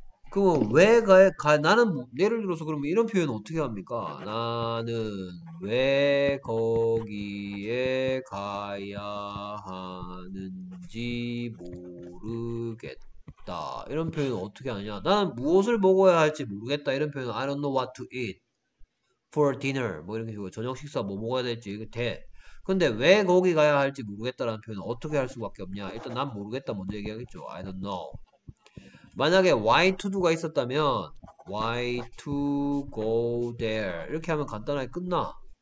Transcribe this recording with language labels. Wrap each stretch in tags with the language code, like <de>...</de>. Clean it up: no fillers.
<ko>그럼 왜 나는 예를 들어서 그러면 이런 표현 어떻게 합니까? 나는 왜 거기에 가야 하는지 모르겠다. 이런 표현 어떻게 하냐? 나는 무엇을 먹어야 할지 모르겠다. 이런 표현</ko> <en>I don't know what to eat for dinner.</en> <ko>뭐 이런 식으로 저녁 식사 뭐 먹어야 될지 이게 돼. 근데 왜 거기 가야 할지 모르겠다라는 표현은 어떻게 할 수밖에 없냐? 일단 난 모르겠다 먼저 얘기하겠죠.</ko> <en>I don't know.</en> <ko>만약에</ko> <en>why to do</en> <ko>가 있었다면</ko> <en>why to go there</en> <ko>이렇게 하면 간단하게 끝나.</ko>